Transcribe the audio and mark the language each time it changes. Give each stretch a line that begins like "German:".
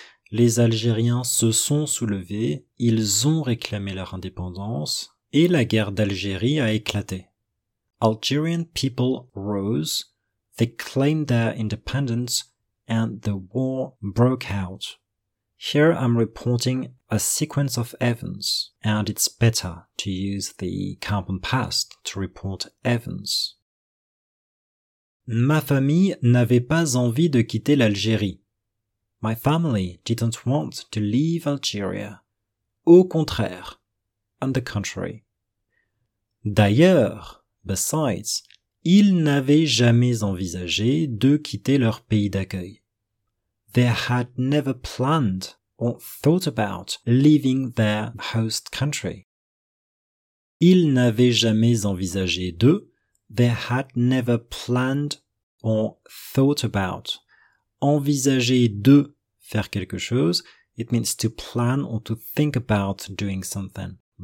French: Les Algériens se sont soulevés, ils ont réclamé leur indépendance, et la guerre d'Algérie a éclaté.
English: Algerian people rose, they claimed their independence, and the war broke out. Here I'm reporting a sequence of events, and it's better to use the carbon past to report events.
French: Ma famille n'avait pas envie de quitter l'Algérie.
English: My family didn't want to leave Algeria.
French: Au contraire.
English: On the contrary.
French: D'ailleurs, besides, ils n'avaient jamais envisagé de quitter leur pays d'accueil.
English: They had never planned or thought about leaving their host country.
French: Ils n'avaient jamais envisagé de.
English: They had never planned or thought about.
French: Envisager de faire quelque chose,
English: it means to plan or to think about doing something.